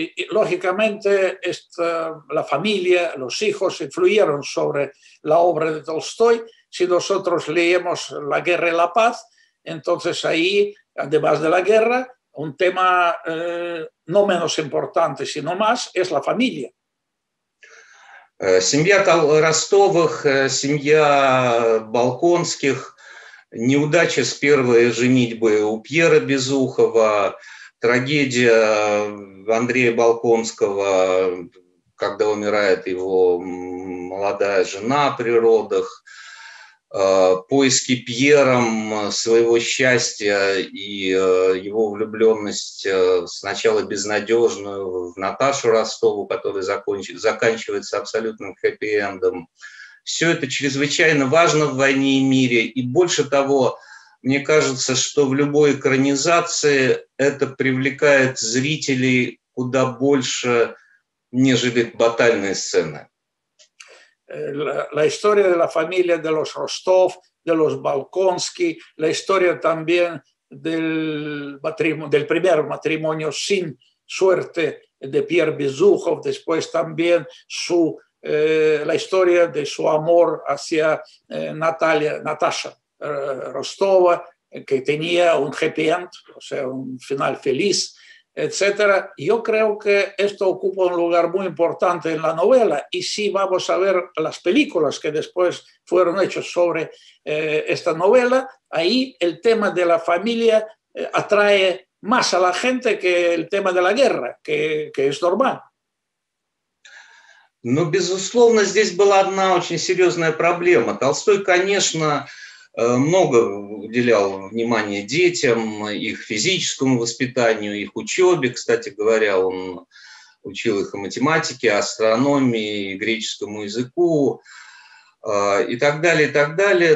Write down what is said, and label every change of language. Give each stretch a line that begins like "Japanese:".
Spanish: Lógicamente, esta, la familia, los hijos influyeron sobre la obra de Tolstoy. Si nosotros leemos La guerra y la paz, entonces ahí, además de la guerra, un tema no menos importante, sino más, es la familia.
Russian: Семья Ростовых, семья Балконских, неудача с первой женитьбы у Пьера Безухова, трагедия Андрея Балконского, когда умирает его молодая жена при родах, поиски Пьером своего счастья и его влюбленность сначала безнадежную в Наташу Ростову, которая заканчивается абсолютным хэппи-эндом. Все это чрезвычайно важно в «Войне и мире», и больше того, мне кажется, что в любой экранизации это привлекает зрителей куда больше, нежели батальные сцены.
Spanish: La historia de la familia de los Ростов, de los Балконски, la historia también del primer matrimonio sin suerte de Pierre Безухов, después también su la historia de su amor hacia Наташа Ростова, que tenía un happy end, o sea, un final feliz, etc. Yo creo que esto ocupa un lugar muy importante en la novela, y si vamos a ver las películas que después fueron hechas sobre esta novela, ahí el tema de la familia atrae más a la gente que el tema de la guerra, que es normal.
Russian: Но, безусловно, здесь была одна очень серьезная проблема. Толстой, конечно, много уделял внимания детям, их физическому воспитанию, их учебе. Кстати говоря, он учил их и математике, астрономии, и греческому языку и так далее, и так далее.